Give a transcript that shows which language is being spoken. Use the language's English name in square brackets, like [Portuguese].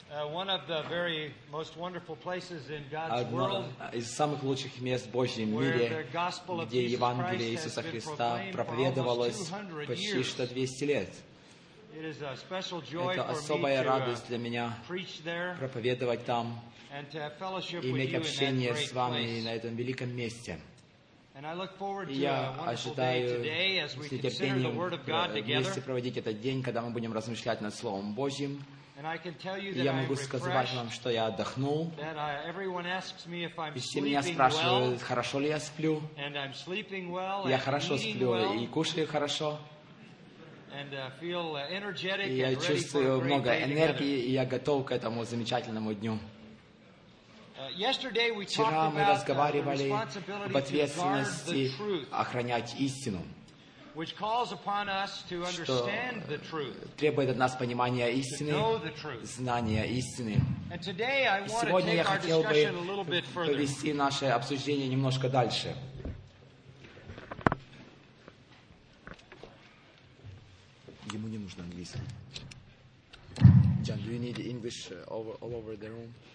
[English] One of the very most wonderful places in God's world. [Russian] Из самых лучших мест в Божьем мире, где Евангелие Иисуса Христа проповедовалось почти что 200 лет. Это особая радость для меня проповедовать там и иметь общение с вами на этом великом месте. [English] And I look forward to a wonderful day today as we consider the Word of God together. [Russian] Проводить этот день, когда мы будем размышлять над Словом Божьим. [English] And I can tell you that I'm refreshed. That everyone asks me if I'm sleeping well. [Russian] Хорошо ли я сплю? [English] And I'm sleeping well. [Russian] Я хорошо сплю и кушаю хорошо. [English] And feel energetic. [Russian] Я чувствую много энергии и я готов к этому замечательному дню. [English] Yesterday we talked about the responsibility to guard the truth, [Russian] охранять истину, [English] which calls upon us to understand the truth, [Russian] требует от нас понимания истины, [English] to know the truth, [Russian] знания истины. [English] And today I want to take our discussion a little bit further. [Russian] Повести наше обсуждение немножко дальше. Ему не нужен английский. [English] John, do you need English all over the room?